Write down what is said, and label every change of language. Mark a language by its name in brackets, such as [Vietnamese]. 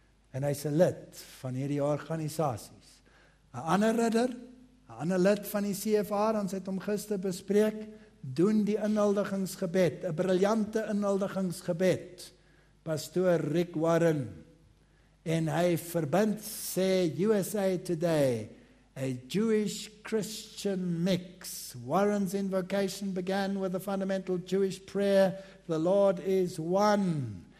[Afrikaans] En hy is 'n lid van hierdie organisasie. Een ander ridder, een ander lid van die CFA, ons het om gister bespreek, doen die inhuldigingsgebed, een briljante inhuldigingsgebed, pastoor Rick Warren, en hy verbind, sê USA Today, [English] a Jewish Christian mix. Warren's invocation began with a fundamental Jewish prayer, the Lord is one.